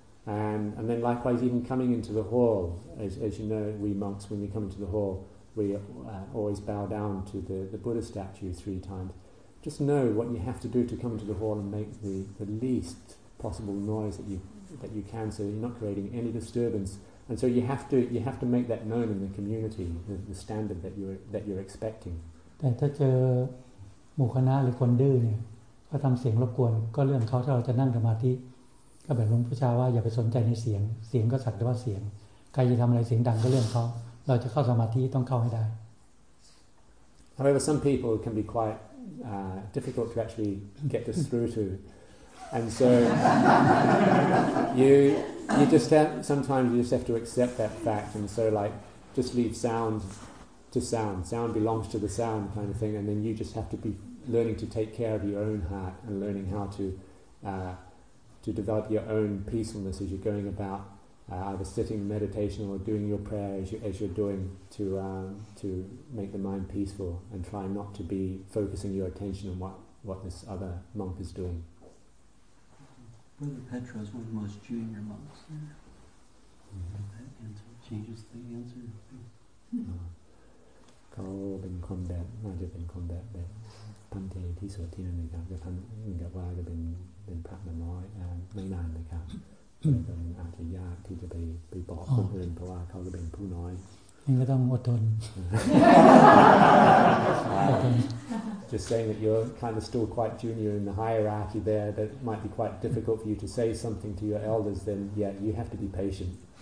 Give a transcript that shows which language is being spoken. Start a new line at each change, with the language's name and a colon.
English: And then likewise, even coming into the hall, as you know, we monks, when we come into the hall, we always bow down to the Buddha statue 3 times. Just know what you have to do to come into the hall and make the least possible noise that you can, so that you're not creating any disturbance. And so you have to make that known in the community, the standard that you're expecting.
Thai: แต่ถ้าเจอหมู่คณะหรือคนดื้อเนี่ยก็ทำเสียงรบกวนก็เรื่องเขาถ้าเราจะนั่งสมาธิก็แบบหลวงพุทธาว่าอย่าไปสนใจในเสียงเสียงก็สักแต่ว่าเสียงใครจะทำอะไรเสียงดังก็เรื่องเขาเราจะเข้าสมาธิต้องเข้าให้ได้
English: However, some people can be quite difficult to actually get this through to, and so you just have, sometimes you just have to accept that fact, and so like just leave sound to sound. Sound belongs to the sound kind of thing, and then you just have to be learning to take care of your own heart and learning how to develop your own peacefulness as you're going about either sitting in meditation or doing your prayer as you're doing to make the mind peaceful, and try not to be focusing your attention on what this other monk is doing. Brother Petro is one of the most junior monks there. Mm-hmm. That answer changes the answer. Mm-hmm.
Thai: เขาเป็นคนแบบน่าจะเป็นคนแบบท่านเทที่สุดที่นั่นนะครับจะท่านเหมือนกับว่าจะเป็นพระน้อยไม่นานนะครับก็อาจจะยากที่จะไปบอกคนอื่นเพราะว่าเขาจะเป็นผู้น้อย นี่ก็ต้องอดทน
English: Just saying that you're kind of still quite junior in the hierarchy there, that might be quite difficult for you to say something to your elders, then yeah, you have to be patient.